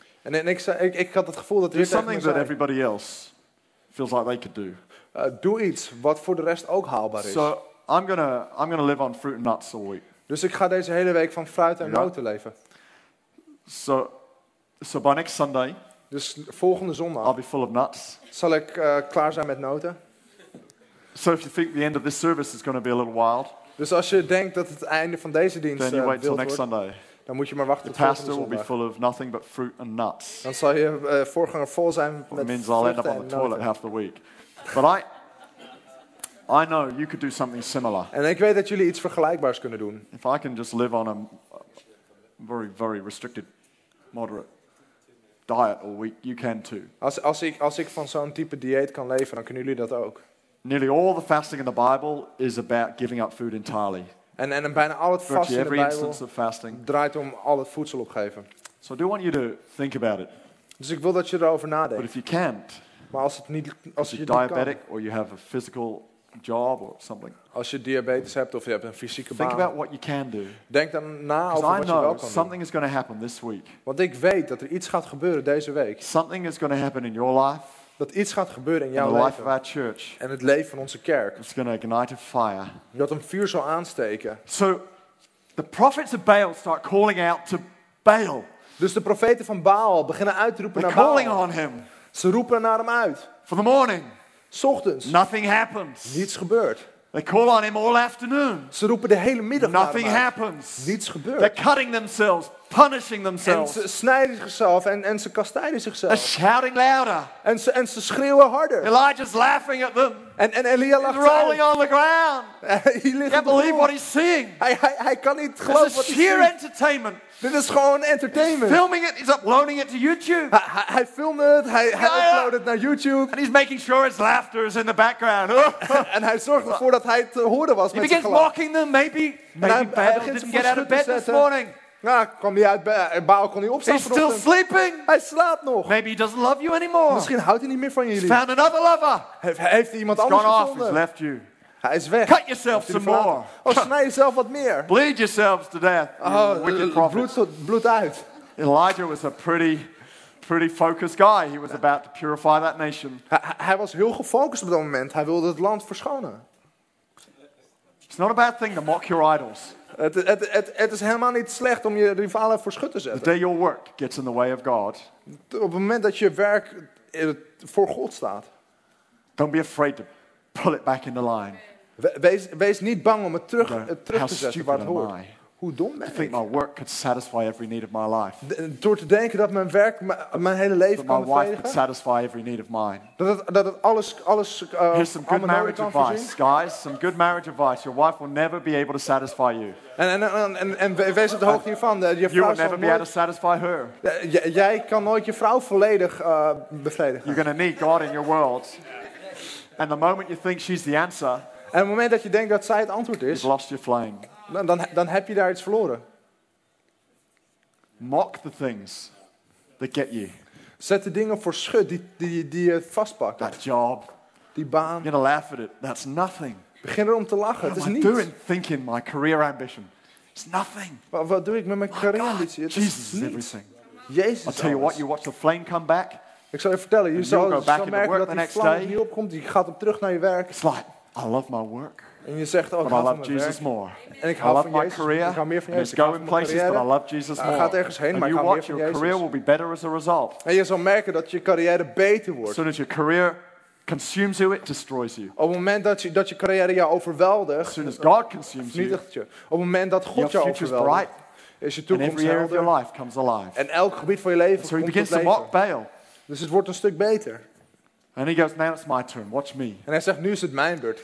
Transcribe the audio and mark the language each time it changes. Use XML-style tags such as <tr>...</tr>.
<nl>En ik had het gevoel dat hij tegen me zei.</nl> <en>Do something that everybody else feels like they could do.</en> <nl>Doe iets wat voor de rest ook haalbaar is.</nl> <en>So I'm gonna live on fruit and nuts all week.</en> <nl>Dus ik ga deze hele week van fruit en noten leven.</nl> <en>So by next Sunday.</en> <nl>Dus volgende zondag.</nl> <en>I'll be full of nuts.</en> <nl>Zal ik klaar zijn met noten.</nl> <en>So if you think the end of this service is going to be a little wild.</en> <nl>Dus als je denkt dat het einde van deze dienst</nl> <en>then you wait till next</en> <nl>wordt,</nl> <en>Sunday.</en> <nl>Dan moet je maar wachten tot volgende zondag.</nl> <en>Your pastor will be full of nothing but fruit and nuts.</en> <nl>Dan zal je voorganger vol zijn met fruit en noten.</nl> <en>I'll end up on the toilet half the week. But I know you could do something similar.</en> <nl>En ik weet dat jullie iets vergelijkbaars kunnen doen.</nl> <en>If I can just live on a very, very restricted, moderate diet all week, you can too.</en> <nl>Als ik van zo'n type dieet kan leven, dan kunnen jullie dat ook.</nl> <en>Nearly all the fasting in the Bible is about giving up food entirely.</en> <nl>En bijna al het vasten in de Bijbel</nl> <en>instance of fasting</en> <nl>draait om al het voedsel opgeven.</nl> <en>So I do want you to think about it.</en> <nl>Dus ik wil dat je erover nadenkt.</nl> <en>But if you can't,</en> <nl>maar als het niet, als</nl> <en>you're</en> <nl>je</nl> <en>diabetic</en> <nl>kan,</nl> <en>or you have a physical job or something.</en> <nl>Als je diabetes hebt of je hebt een fysieke baan.</nl> <en>Think about what you can do.</en> <nl>Denk dan na over wat je wel kan doen.</nl> <en>Something is going to happen this week.</en> <nl>Want ik weet dat er iets gaat gebeuren deze week.</nl> <en>Something is going to happen in your life.</en> <nl>Dat iets gaat gebeuren in jouw leven.</nl> <en>Life of our church.</en> <nl>En het leven van onze kerk.</nl> <en>It's going to ignite a fire.</en> <nl>Dat een vuur zal aansteken.</nl> <en>So the prophets of Baal start calling out to Baal.</en> <nl>Dus de profeten van Baal beginnen uit te roepen</nl> <en>They're</en> <nl>naar Baal.</nl> <en>They're calling on him.</en> <nl>Ze roepen naar hem uit.</nl> <en>For the morning.</en> <nl>Ochtends.</nl> <en>Nothing happens.</en> <nl>Niets gebeurt.</nl> <en>They call on him all afternoon.</en> <nl>Ze roepen de hele middag naar hem.</nl> <en>Nothing happens.</en> <nl>Niets gebeurt.</nl> <en>They're cutting themselves, punishing themselves.</en> <nl>En ze snijden zichzelf en ze kastijden zichzelf.</nl> <en>They're shouting louder.</en> <nl>En ze schreeuwen harder.</nl> <en>Elijah's laughing at them.</en> <nl>En Elia lacht.</nl> <en>He's rolling on the ground.</en> <nl>He ligt.</nl> <en>Can't believe what he's seeing.</en> <nl>Hij kan niet geloven wat hij ziet.</nl> <en>This is sheer entertainment.</en> <nl>Dit is gewoon entertainment.</nl> <en>He's filming it. He's uploading it to YouTube.</en> <nl>Hij filmt het. Hij uploadt het naar YouTube.</nl> <en>And he's making sure his laughter is in the background.</en> <nl>En hij zorgt ervoor dat hij te horen was met zijn gelach.</nl> <en>He begins mocking them. Maybe Baal didn't get out of bed this morning.</en> <nl>Nou, kwam hij uit bed. Baal kon niet opstaan.</nl> <en>He's still sleeping.</en> <nl>Hij slaapt nog.</nl> <en>Maybe he doesn't love you anymore.</en> <nl>Misschien houdt hij niet meer van jullie.</nl> <en>He's found another lover.</en> <nl>Heeft hij iemand</nl> <en>he's</en> <nl>anders</nl> <en>gone</en> <nl>gevonden?</nl> <en>Off. He's left you.</en> <nl>Hij is weg.</nl> <en>Cut yourself some more.</en> <nl>Oh, snij jezelf wat meer.</nl> <en>Bleed yourselves to death.</en> <nl>Oh, bloed uit.</nl> <en>Elijah was a pretty focused guy. He was about to purify that nation.</en> <nl>Hij was heel gefocust op dat moment. Hij wilde het land verschonen.</nl> <en>It's not a bad thing to mock your idols.</en> <nl>Het is helemaal niet slecht om je rivalen voor schut te zetten.</nl> <en>The day your work gets in the way of God.</en> <nl>Op het moment dat je werk voor God staat.</nl> <en>Don't be afraid to pull it back in the line.</en> <nl>Wees niet bang om het terug te zetten waar het hoort.</nl> <en>I?</en> <nl>Hoe dom ben</nl> <en>to think</en> <nl>ik?</nl> <en>My work could satisfy every need of my life.</en> <nl>Door te denken dat mijn werk mijn hele leven kan bevredigen.</nl> <en>Could satisfy every need of mine.</en> <nl>Dat het alles</nl> <en>here's some good marriage advice, guys. Some good marriage advice. Your wife will never be able to satisfy you.</en> <nl>En wees op de hoogte hiervan. Je vrouw</nl> <en>you will never</en> <nl>nooit,</nl> <en>be able to satisfy her.</en> <nl>Jij kan nooit je vrouw volledig bevredigen.</nl> <en>You're going to need God in your world. And the moment you think she's the answer.</en> <nl>En het moment dat je denkt dat zij het antwoord is.</nl> <en>You've lost your flame.</en> <nl>Dan heb je daar iets verloren.</nl> <en>Mock the things that get you.</en> <nl>Zet de dingen voor schut die je vastpakken.</nl> <en>That job.</en> <nl>Die baan.</nl> <en>You're gonna laugh at it. That's nothing.</en> <nl>Begin erom te lachen.</nl> <en>What</en> <nl>het is niets.</nl> <en>Doing, thinking my career ambition. It's nothing.</en> <nl>Wat doe ik met mijn carrière-ambitie? Het</nl> <en>Jesus</en> <nl>is niets.</nl> <en>Everything.</en> <nl>Jezus.</nl> <en>I'll tell you what, you watch the flame come back.</en> <nl>Ik zal je vertellen, je zal merken dat die vlam niet opkomt, die gaat op terug naar je werk.</nl> <en>It's like, I love my work.</en> <nl>En je zegt, oh, ik hou van</nl> <en>Jesus more.</en> <nl>En ik hou van</nl> <en>my career.</en> <nl>Ik hou meer van Jezus.</nl> <en>It's going places, but I love Jesus more.</en> <nl>Hij gaat ergens heen, maar ik hou meer van Jezus.</nl> <en>Your career will be better as a result.</en> <nl>En je zal merken dat je carrière beter wordt.</nl> <en>As soon as your career consumes you, it destroys you.</en> <nl>Op het moment dat je carrière jou overweldigt,</nl> <en>as soon as God consumes you,</en> <nl>vernietigt je. Op het moment dat God jou overweldigt, is je toekomst helder.</nl> <en>And every area of your life comes alive.</en> <nl>En elk gebied van je leven komt tot leven.</nl> <en>So he begins to mock Baal.</en> <nl>Dus het wordt een stuk beter.</nl> <en>And he goes, now it's my turn. Watch me.</en> <nl>En hij zegt, nu is het mijn beurt.</nl>